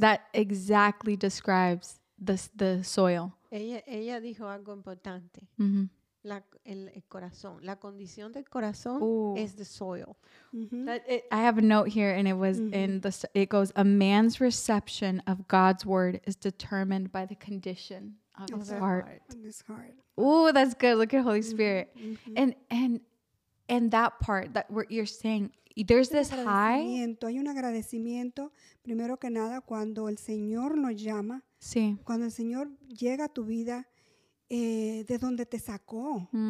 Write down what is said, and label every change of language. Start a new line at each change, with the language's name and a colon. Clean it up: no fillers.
English: that exactly describes the soil.
Spanish: Ella dijo algo importante. Mm-hmm. El corazón, la condición del corazón.
English: Ooh. Is the soil. Mm-hmm. I have a note here, and it was, mm-hmm. It goes, a man's reception of God's word is determined by the condition of his heart. Ooh, that's good. Look at Holy Spirit. Mm-hmm. And that part that you're saying, there's this high.
Spanish: Hay un agradecimiento, primero que nada, cuando el Señor nos llama. Sí. Cuando el Señor llega a tu vida. De donde te sacó,